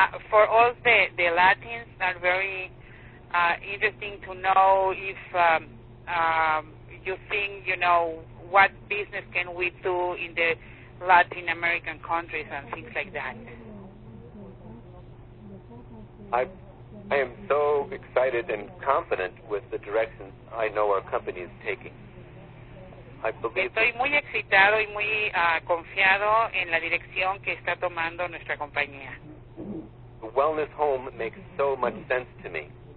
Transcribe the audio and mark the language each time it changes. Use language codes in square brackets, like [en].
[en] For all the Latins, that's very interesting to know if you think, you know, what business can we do in the Latin American countries and things like that. I am so excited and confident with the direction I know our company is taking. I believe [es] estoy muy excitado y muy confiado en la dirección que está tomando nuestra compañía. [en] The wellness home makes so much sense to me.